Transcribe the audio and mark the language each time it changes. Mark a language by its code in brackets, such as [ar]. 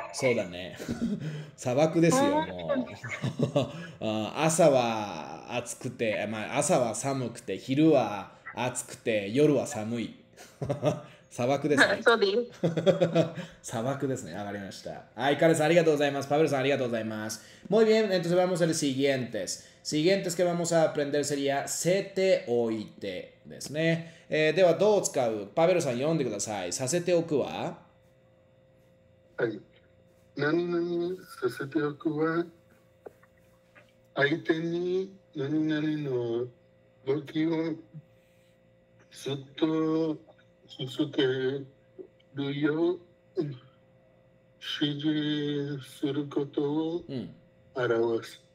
[ja] そうだね。砂漠ですよ、もう。朝は暑くて、まあ、朝は寒くて、昼は暑くて、夜は寒い。砂漠ですね。そうです。砂漠ですね。わかりました。はい、カレンさん、ありがとうございます。パブルさん、ありがとうございます。 [es] Muy bien, entonces vamos a los siguientes. Siguientes que vamos a aprender sería [ja] せておいてですね。では、どう使う？パベルさん、読んでください。させておくは？はい、何々させておくは、相手に何々の動きをずっと続けるよう指示することを表す。